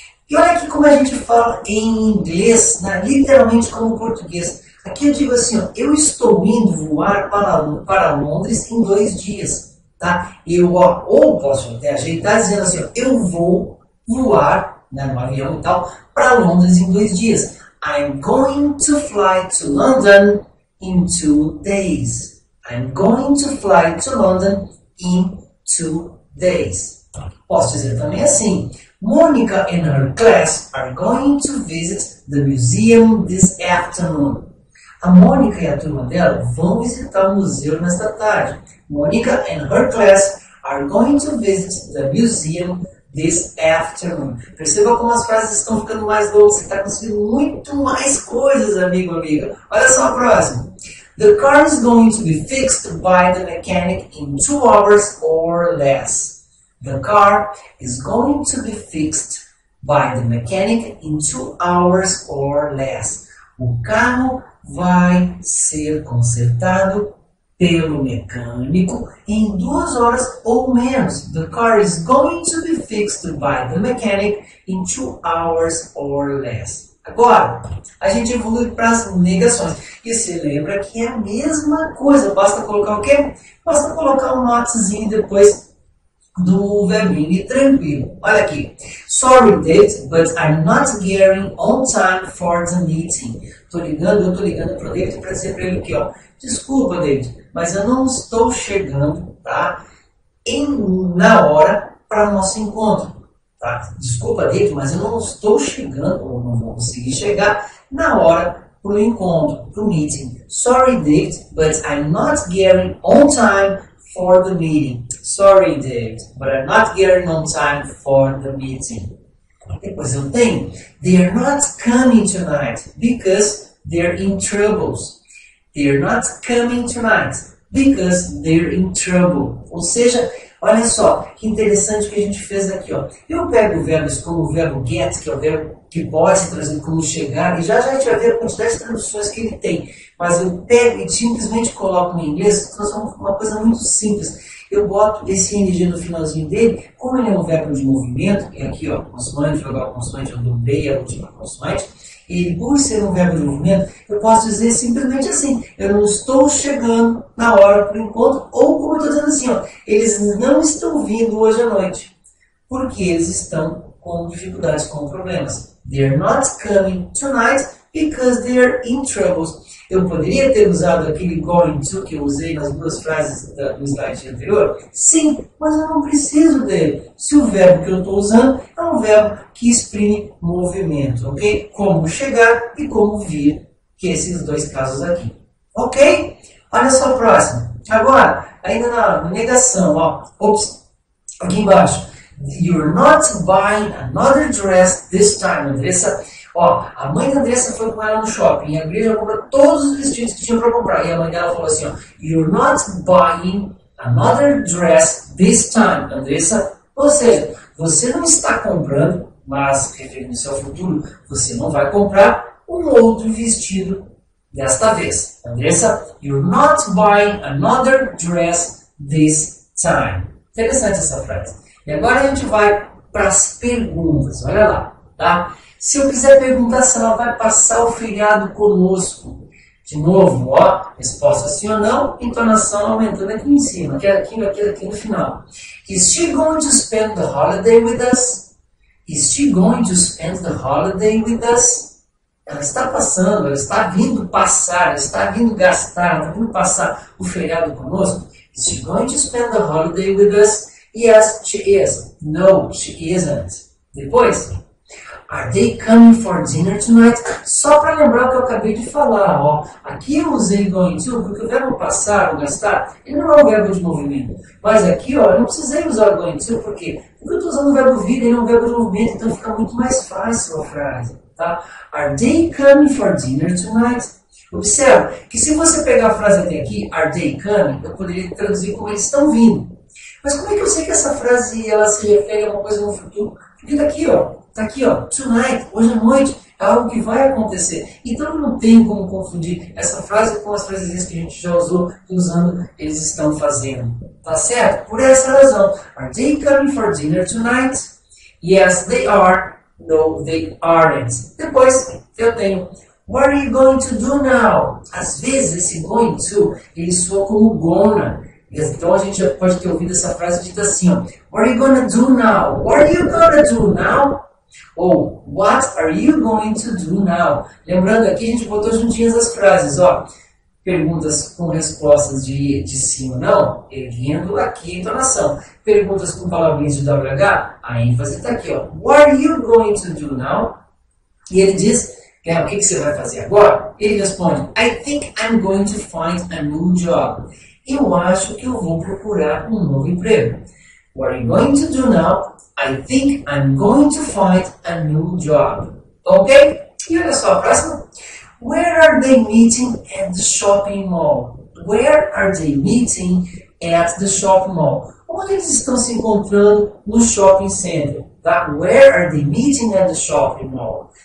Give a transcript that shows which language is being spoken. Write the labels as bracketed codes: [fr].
[pt] E olha aqui como a gente fala em inglês, né? Literalmente como português. Aqui eu digo assim, ó, eu estou indo voar para Londres em 2 dias, tá? Eu, ó, ou posso até ajeitar dizendo assim, ó, eu vou voar, né, no avião e tal, para Londres em 2 dias. [en] I'm going to fly to London in 2 days. I'm going to fly to London in 2 days. [pt] Posso dizer também assim: [en] Monica and her class are going to visit the museum this afternoon. [pt] A Mônica e a turma dela vão visitar o museu nesta tarde. [en] Monica and her class are going to visit the museum this afternoon. [pt] Perceba como as frases estão ficando mais longas. Você está conseguindo muito mais coisas, amigo, amiga. Olha só a próxima: [en] The car is going to be fixed by the mechanic in 2 hours or less. The car is going to be fixed by the mechanic in 2 hours or less. [pt] O carro vai ser consertado pelo mecânico em 2 horas ou menos. [en] The car is going to be fixed by the mechanic in 2 hours or less. [pt] Agora, a gente evolui para as negações. E se lembra que é a mesma coisa. Basta colocar o quê? Basta colocar um notezinho depois do Vermini, tranquilo. Olha aqui. [en] Sorry, David, but I'm not getting on time for the meeting. [pt] Eu tô ligando pro David para dizer para ele aqui, ó. Desculpa, David, mas eu não estou chegando, tá? Na hora para nosso encontro, tá? Desculpa, David, mas eu não estou chegando, ou não vou conseguir chegar na hora pro encontro, pro meeting. [en] Sorry, David, but I'm not getting on time for the meeting. Sorry, David, but I'm not getting on time for the meeting. [pt] Depois eu tenho. [en] They're not coming tonight because they're in troubles. They're not coming tonight because they're in trouble. [pt] Ou seja, olha só que interessante que a gente fez aqui, ó. Eu pego verbos como o verbo get, que é o verbo que pode ser trazido como chegar, e já a gente vai ver a quantidade de traduções que ele tem. Mas eu pego e simplesmente coloco em inglês, uma coisa muito simples. Eu boto esse ing no finalzinho dele, como ele é um verbo de movimento, e aqui, ó, consoante, vogal consoante, eu dou B, a última consoante, ele, por ser um verbo de movimento, eu posso dizer simplesmente assim: eu não estou chegando na hora para o encontro, ou como eu estou dizendo assim, ó, eles não estão vindo hoje à noite, porque eles estão com dificuldades, com problemas. [en] They're not coming tonight because they're in troubles. [pt] Eu poderia ter usado aquele going to que eu usei nas duas frases do slide anterior? Sim, mas eu não preciso dele. Se o verbo que eu estou usando é um verbo que exprime movimento, ok? Como chegar e como vir, que é esses dois casos aqui. Ok? Olha só o próximo. Agora, ainda na negação, ó. Ops, aqui embaixo. [en] You're not buying another dress this time, Andressa. [pt] Ó, a mãe da Andressa foi com ela no shopping e a igreja comprou todos os vestidos que tinha para comprar. E a mãe dela falou assim, ó, [en] You're not buying another dress this time, Andressa. [pt] Ou seja, você não está comprando, mas referindo-se ao futuro, você não vai comprar um outro vestido desta vez. [en] Andressa, You're not buying another dress this time. [pt] Interessante essa frase. E agora a gente vai para as perguntas, olha lá, tá? Se eu quiser perguntar se ela vai passar o feriado conosco. De novo, ó, resposta sim ou não, entonação aumentando aqui em cima, aqui no final. [en] Is she going to spend the holiday with us? Is she going to spend the holiday with us? [pt] Ela está passando, ela está vindo passar, ela está vindo gastar, ela está vindo passar o feriado conosco. [en] Is she going to spend the holiday with us? Yes, she is. No, she isn't. Depois, Are they coming for dinner tonight? [pt] Só para lembrar o que eu acabei de falar, ó. Aqui eu usei going to, porque o verbo passar, ou gastar, ele não é um verbo de movimento. Mas aqui, ó, eu não precisei usar going to, por quê? Porque eu estou usando o verbo vir, ele é um verbo de movimento, então fica muito mais fácil a frase, tá? [en] Are they coming for dinner tonight? [pt] Observe que se você pegar a frase até aqui, [en] are they coming, [pt] eu poderia traduzir como eles estão vindo. Mas como é que eu sei que essa frase ela se refere a uma coisa no futuro? Porque daqui, ó. Tá aqui, ó, tonight, hoje à noite, é algo que vai acontecer. Então não tem como confundir essa frase com as frases que a gente já usou, usando eles estão fazendo. Tá certo? Por essa razão. [en] Are they coming for dinner tonight? Yes, they are. No, they aren't. [pt] Depois eu tenho. [en] What are you going to do now? [pt] Às vezes esse going to ele soa como gonna. Então a gente pode ter ouvido essa frase dita assim, ó. [en] What are you gonna do now? What are you gonna do now? Ou, what are you going to do now? [pt] Lembrando aqui, a gente botou juntinhas as frases, ó. Perguntas com respostas de sim ou não, erguendo aqui a entonação. Perguntas com palavrinhas de WH, a ênfase está aqui, ó. [en] What are you going to do now? [pt] E ele diz, o que que você vai fazer agora? Ele responde, [en] I think I'm going to find a new job. [pt] Eu acho que eu vou procurar um novo emprego. [en] What are you going to do now? I think I'm going to find a new job. Ok? [pt] E olha só, próximo. [en] Where are they meeting at the shopping mall? Where are they meeting at the shopping mall? [pt] Onde eles estão se encontrando no shopping center? Tá? [en] Where are they meeting at the shopping mall?